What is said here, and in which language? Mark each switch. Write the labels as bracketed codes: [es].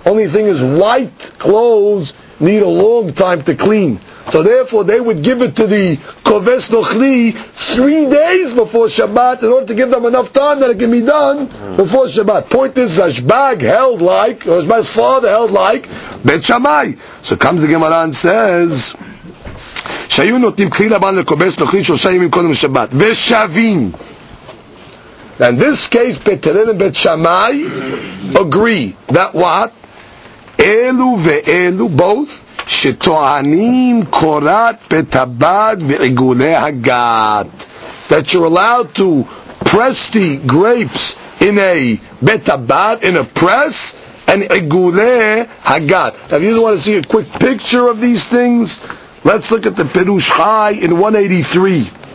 [en] Only thing is, white clothes need a long time to clean. So therefore, they would give it to the Koves Nochri 3 days before Shabbat in order to give them enough time that it can be done before Shabbat. Point is, Rashbag held like, or Rashbag's father held like, Bet Shammai. So comes the Gemara and says, [he] שהיו נותנים כלי לבן לקובס נוכלי שלושה ימים קודם לשבת ושווים. And this case, בית הלל ובית שמאי agree that what? אלו ואלו, both, שטוענים קורת בית הבד ועיגולי הגת. [en] That you're allowed to press the grapes in a בית הבד, in a press, and עיגולי הגת. Now, if you want to see a quick picture of these things, let's look at the Pirush Chai in 183.